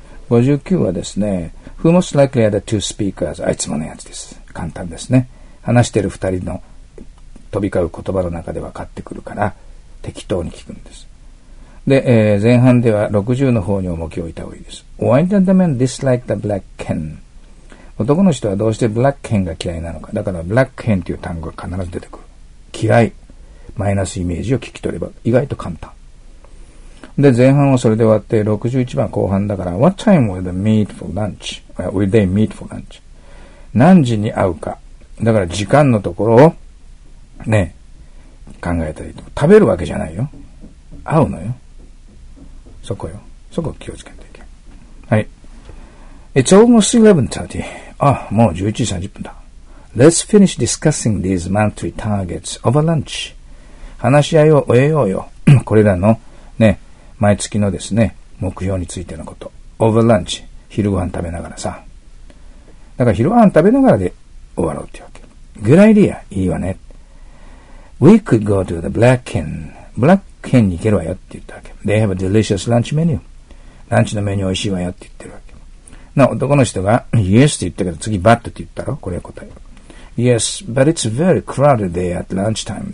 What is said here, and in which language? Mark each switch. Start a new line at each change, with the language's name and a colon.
Japanese: 59はですね、
English: Who most likely are the two speakers?
Japanese: あいつものやつです。簡単ですね。話してる二人の飛び交う言葉の中で分かってくるから、適当に聞くんです。で、前半では60の方に重きを置いた方がいいです。
English: Why did the man dislike the black hen?
Japanese: 男の人はどうしてブラック hen が嫌いなのか。だからブラック hen という単語が必ず出てくる。嫌い。マイナスイメージを聞き取れば意外と簡単。で、前半はそれで終わって61番後半だから、
English: What time will they meet for lunch? Will they meet for lunch?
Japanese: 何時に会うか。だから時間のところをね、考えたらいいと。食べるわけじゃないよ。会うのよ。そこよ。そこを気をつけていけ。
English: はい。It's almost 11:30.
Japanese: あ、もう11時30分だ。
English: Let's finish discussing these monthly targets over lunch.
Japanese: 話し合いを終えようよ。これらのね、毎月のですね、目標についてのこと。
English: Over lunch。
Japanese: 昼ご飯食べながらさ。だから昼ご飯食べながらで終わろうってわけ。
English: Good idea.
Japanese: いいわね。
English: We could go to the Black Hen. Black Hen
Japanese: に行けるわよって言ったわけ。
English: They have a delicious lunch menu.
Japanese: ランチのメニュー美味しいわよって言ってるわけ。な、男の人が Yes って言ったけど、次 But って言ったろ。これが答え。
English: Yes, but it's very crowded there at lunchtime.